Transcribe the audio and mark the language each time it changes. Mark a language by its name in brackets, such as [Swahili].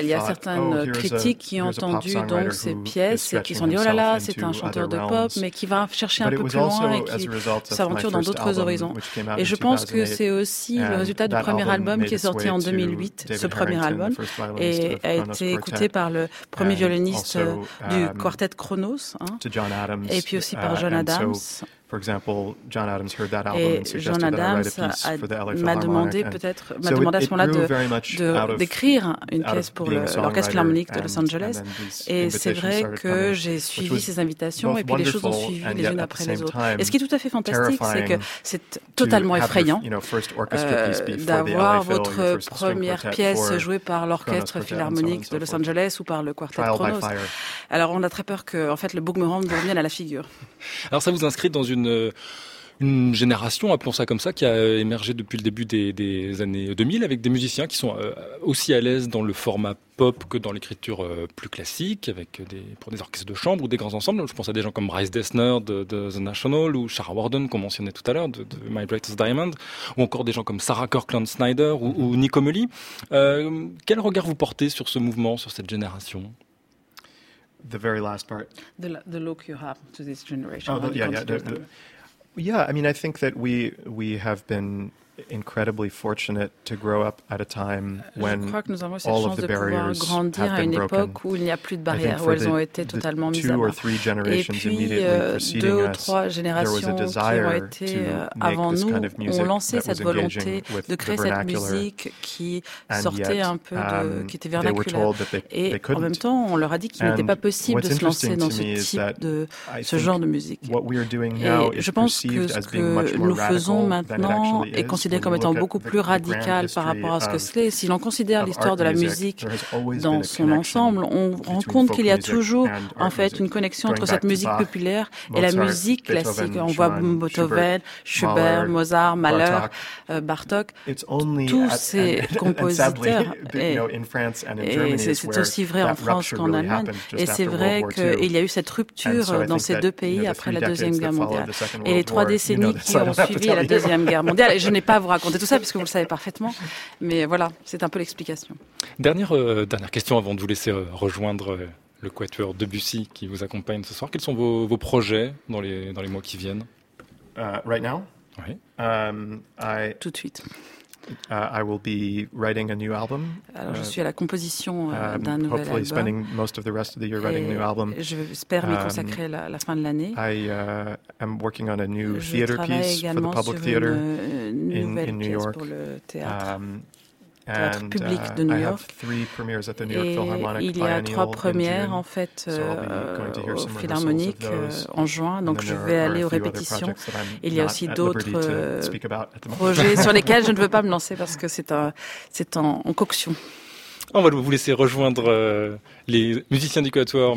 [French] Il y a certaines critiques qui ont entendu donc ces pièces et qui se sont dit « Oh là là, c'est un chanteur de pop, mais qui va chercher un peu plus loin et qui s'aventure dans d'autres horizons. » Et je pense que c'est aussi le résultat du premier album qui est sorti en 2008, ce premier album, et a été écouté par le premier violoniste du quartet Kronos, et puis aussi par John Adams. [English] For example, John Adams heard that album and suggested that I write a piece for the LA Philharmonic. [French] M'a demandé à ce moment-là d'écrire une pièce pour l'Orchestre Philharmonique de Los Angeles. Et c'est vrai que j'ai suivi ces invitations et puis les choses ont suivi les unes après les autres. Et ce qui est tout à fait fantastique, c'est que c'est totalement effrayant d'avoir votre première pièce jouée par l'Orchestre Philharmonique de Los Angeles ou par le Quartet Kronos. Alors on a très peur que en fait, le boomerang vous revienne à la figure. Alors ça vous inscrit dans une génération, appelons ça comme ça, qui a émergé depuis le début des années 2000, avec des musiciens qui sont aussi à l'aise dans le format pop que dans l'écriture plus classique, avec pour des orchestres de chambre ou des grands ensembles. Je pense à des gens comme Bryce Dessner de The National, ou Shara Warden, qu'on mentionnait tout à l'heure, de My Brightest Diamond, ou encore des gens comme Sarah Kirkland-Snyder ou Nico Melli. Quel regard vous portez sur ce mouvement, sur cette génération ? [English] The very last part. The look you have to this generation. Oh, yeah. I think that we have been incredibly fortunate to grow up at a time when all of the barriers have been broken. [French] Une époque où il n'y a plus de barrières, où elles ont été totalement mises à bas. [English] Two or three generations immediately preceding us, there was a desire to make this kind of music that was engaging with the vernacular. And yet, they were told that they couldn't. [French] En même temps, on leur a dit qu'il n'était pas possible de se lancer dans ce type de ce genre de musique. [English] What we are doing now is perceived as being much more radical than it actually is. [French] Considéré comme étant beaucoup plus radical par rapport à ce que c'est. Si l'on considère l'histoire de la musique dans son ensemble, on rend compte qu'il y a toujours, en fait, une connexion entre cette musique populaire et la musique classique. On voit Beethoven, Schubert, Mozart, Mahler, Bartok, tous ces compositeurs. Et c'est aussi vrai en France qu'en Allemagne. Et c'est vrai qu'il y a eu cette rupture dans ces deux pays après la Deuxième Guerre mondiale. Et les trois décennies qui ont suivi la Deuxième Guerre mondiale. Et je n'ai pas à vous raconter tout ça, parce que vous le savez parfaitement. Mais voilà, c'est un peu l'explication. Dernière question avant de vous laisser rejoindre le quatuor Debussy qui vous accompagne ce soir. Quels sont vos projets dans les mois qui viennent? [English] Right now? [French] Oui. Tout de suite. [English] I will be writing a new album. [French] Alors, je suis à la composition d'un nouvel [English] hopefully album. Spending most of the rest of the year writing a new album. [French] J'espère m'y consacrer la fin de l'année. [English] I am working on a new [French] je [English] theater piece for the public theater in New York. [French] Pour le théâtre public de New York. [English] I have three premieres at the New York Philharmonic. [French] Il y a trois premières en fait au Philharmonique en juin, donc je vais aller aux répétitions. Il y a aussi d'autres projets sur lesquels je ne veux pas me lancer parce que c'est en coction. On va vous laisser rejoindre les musiciens du quatuor.